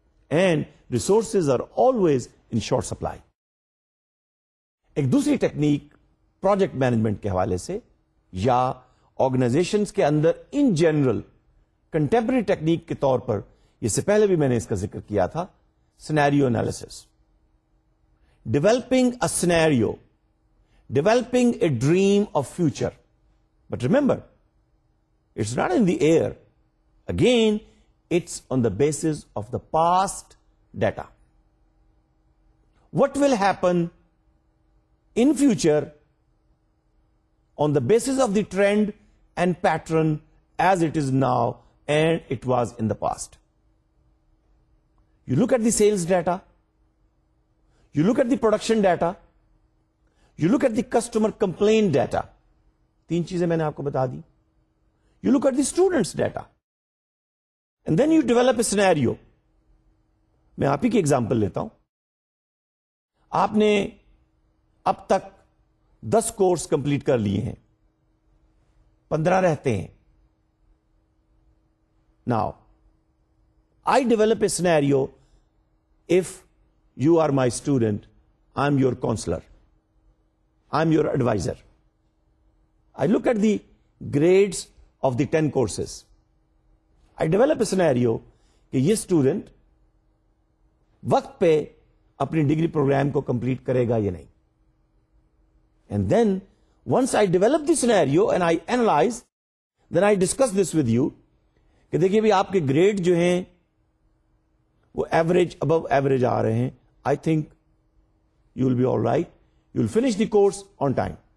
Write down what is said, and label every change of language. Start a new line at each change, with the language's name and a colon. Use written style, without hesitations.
English: And resources are always in short supply.
Urdu: ایک دوسری technique project management کے حوالے سے یا آرگنائزیشن کے اندر ان جنرل کنٹمپرری ٹیکنیک کے طور پر, اس سے پہلے بھی میں نے اس کا ذکر کیا تھا, scenario analysis.
English: Developing a scenario, developing a dream of future. But remember, it's not in the air, again it's on the basis of the past data. What will happen in future on the basis of the trend and pattern as it is now and it was in the past? You look at the sales data, you look at the production data, you look at the customer complaint data.
Urdu: Teen cheeze maine aapko bata di.
English: You look at the students' data. And then you develop a scenario.
Urdu: Main aap hi ki example leta hu. آپ نے اب تک this course complete کر لیے ہیں, پندرہ رہتے ہیں.
English: Now I develop a scenario, if you are my student, I am your counsellor, I am your adviser. I look at the grades of the ten courses. I develop a scenario
Urdu: کہ یہ student وقت پہ اپنی degree programme کو complete کرے گا یا نہیں.
English: and then once I develop the scenario and I analyse, then I discuss this with you
Urdu: کہ دیکھیے بھی آپ کے گریڈ جو ہیں وہ ایوریج, ابو ایوریج آ رہے ہیں,
English: I think you will be all right, you will finish the course on time.